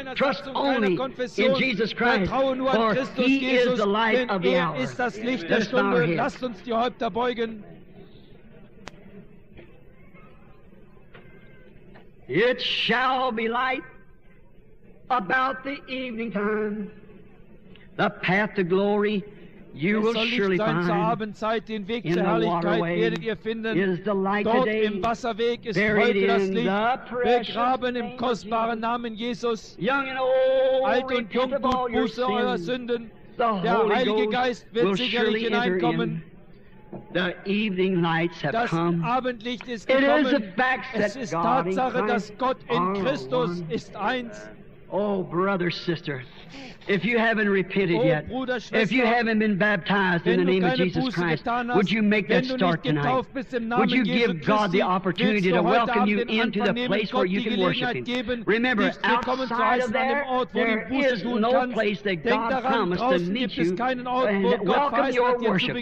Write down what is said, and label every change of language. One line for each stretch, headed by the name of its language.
English: Trust only in Jesus Christ, for he is the light of the hour.
German: Ist das Licht der Stunde. Lasst uns die Häupter beugen.
English: It shall be light about the evening time. The path to glory. You will
German: es soll Licht sein zur Abendzeit, den Weg zur Herrlichkeit werdet ihr finden. Dort im Wasserweg ist heute das Licht, begraben im kostbaren Namen Jesus. Alt und jung, tut Buße eurer Sünden. Der Heilige Geist wird sicherlich hineinkommen.
English: The evening lights have
German: das
English: come.
German: Abendlicht ist gekommen. Es ist Tatsache, dass Gott in Christus ist eins. Oh, Bruder, Sister.
English: If you haven't repented yet, if you haven't been baptized in the name of Jesus Christ, would you make that start tonight? Would you give God the opportunity to welcome you into the place where you can worship Him? Remember, outside of there, there is no place that God promised to meet you and welcome your worship.